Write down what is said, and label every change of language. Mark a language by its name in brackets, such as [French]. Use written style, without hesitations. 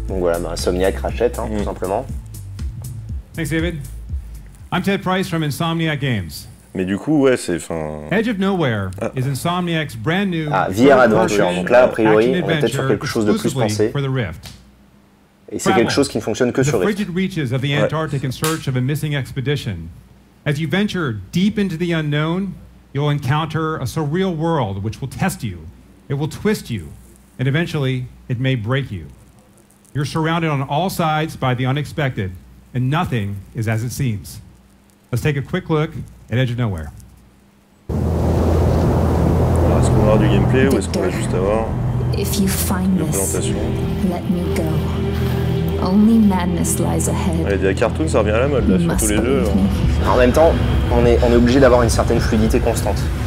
[French] Donc voilà, Insomniac rachète, hein, tout simplement. [English] Thanks, David. I'm Ted Price from Insomniac Games. [French] Mais du coup, ouais, c'est fin. [English] Edge of Nowhere is Insomniac's brand new. Ah, VR Adventure. [French] Donc là, a priori, on est peut-être sur quelque chose de plus pensé. Et c'est quelque chose qui ne fonctionne que sur Rift. [English] The frigid reaches of the Antarctic in search of a missing expedition. As you venture deep into the unknown, you'll encounter a surreal world which will test you. It will twist you, and eventually, it may break you. You're surrounded on all sides by the unexpected, and nothing is as it seems. Let's take a quick look at Edge of Nowhere. [French] Alors, est-ce qu'on va avoir du gameplay, ou est-ce qu'on va juste avoir... [English] If you find this, let me go. Only madness lies ahead. [French] Ouais, des cartoons, ça revient à la mode, là, sur tous les jeux. En même temps, on est obligé d'avoir une certaine fluidité constante.